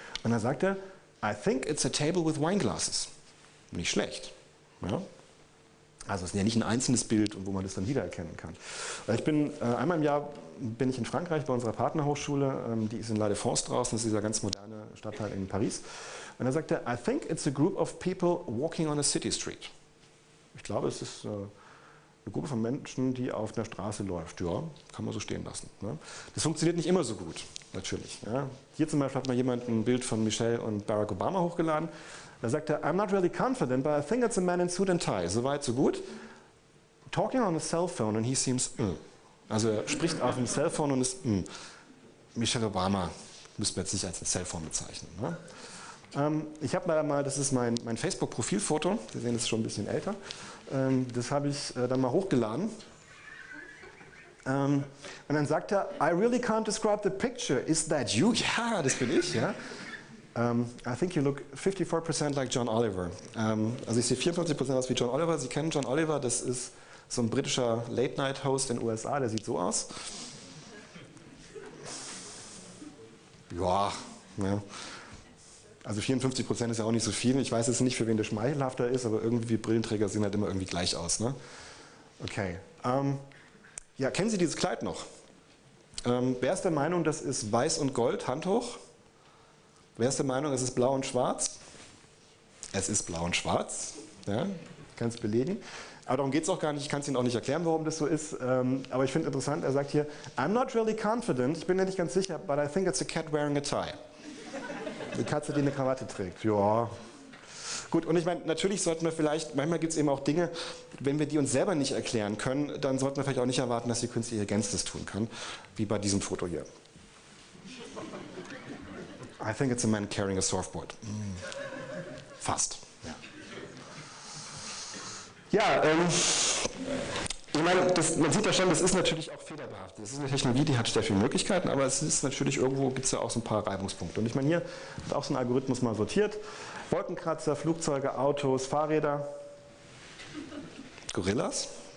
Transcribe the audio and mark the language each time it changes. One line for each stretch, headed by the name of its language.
German: Und dann sagt er,
English: I think it's a table with wine glasses.
German: Nicht schlecht. Ja? Also es ist ja nicht ein einzelnes Bild, wo man das dann wiedererkennen kann. Ich bin einmal im Jahr bin ich in Frankreich bei unserer Partnerhochschule, die ist in La Défense draußen, das ist dieser ganz moderne Stadtteil in Paris. Und da sagt er,
English: I think it's a group of people walking on a city street.
German: Ich glaube, es ist eine Gruppe von Menschen, die auf einer Straße läuft. Ja, kann man so stehen lassen. Ne? Das funktioniert nicht immer so gut, natürlich. Ja? Hier zum Beispiel hat mal jemand ein Bild von Michelle und Barack Obama hochgeladen. Da sagt er,
English: I'm not really confident, but I think it's a man in suit and tie.
German: So weit, so gut.
English: Talking on a cell phone and he seems
German: Also er spricht auf dem cell phone und ist Michelle Obama müsste man jetzt nicht als ein cell phone bezeichnen. Ne? Ich habe mal, das ist mein Facebook-Profilfoto, Sie sehen, das ist schon ein bisschen älter, das habe ich dann mal hochgeladen. Und dann sagt er,
English: I really can't describe the picture, is that you?
German: Ja, das bin ich, ja.
English: I think you look 54% like John Oliver.
German: Also ich sehe 54% aus wie John Oliver. Sie kennen John Oliver, das ist so ein britischer Late-Night-Host in den USA, der sieht so aus. Ja, ne. Also 54% ist ja auch nicht so viel. Ich weiß jetzt nicht, für wen der schmeichelhafter ist, aber irgendwie Brillenträger sehen halt immer irgendwie gleich aus. Ne? Okay. Ja, kennen Sie dieses Kleid noch? Wer ist der Meinung, das ist weiß und gold? Hand hoch. Wer ist der Meinung, es ist blau und schwarz? Es ist blau und schwarz. Ja, kann es belegen. Aber darum geht es auch gar nicht. Ich kann es Ihnen auch nicht erklären, warum das so ist. Aber ich finde interessant, er sagt hier,
English: I'm not really confident,
German: ich bin ja nicht ganz sicher,
English: but I think it's a cat wearing a tie.
German: Eine Katze, die eine Krawatte trägt. Ja. Gut, und ich meine, natürlich sollten wir vielleicht, manchmal gibt es eben auch Dinge, wenn wir die uns selber nicht erklären können, dann sollten wir vielleicht auch nicht erwarten, dass die künstliche Intelligenz das tun kann, wie bei diesem Foto hier.
English: I think it's a man carrying a surfboard.
German: Fast. Ja, ich meine, das, man sieht ja schon, das ist natürlich auch fehlerbehaftet. Das ist eine Technologie, die hat sehr viele Möglichkeiten, aber es ist natürlich irgendwo, gibt es ja auch so ein paar Reibungspunkte. Und ich meine, hier hat auch so ein Algorithmus mal sortiert. Wolkenkratzer, Flugzeuge, Autos, Fahrräder, Gorillas.